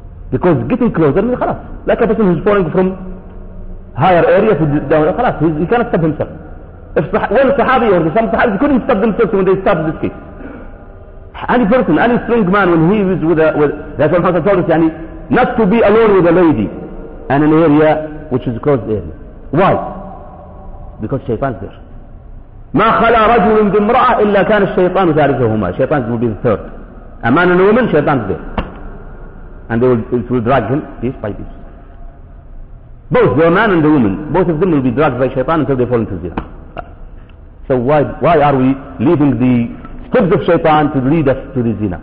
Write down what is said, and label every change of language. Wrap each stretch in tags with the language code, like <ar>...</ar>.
<en>Because getting closer means khalas. Like a person who's falling from higher area to down, khalas, he cannot stop himself. If one Sahabi or some Sahabi couldn't stop themselves when they stopped this case. Any person, any strong man, when he was that's what Hassan told us, not to be alone with a lady and an area which is a closed area. Why? Because shaitan is there.</en> <ar>ما خلا رجل من امرأة إلا كان الشيطان ثالثهما.</ar> <en>Shaitan will be the third. A man and a woman, shaitan is there. And it will drag him piece by piece. Both the man and the woman, both of them will be dragged by shaitan until they fall into zina. So why are we leaving the steps of shaitan to lead us to the zina?</en>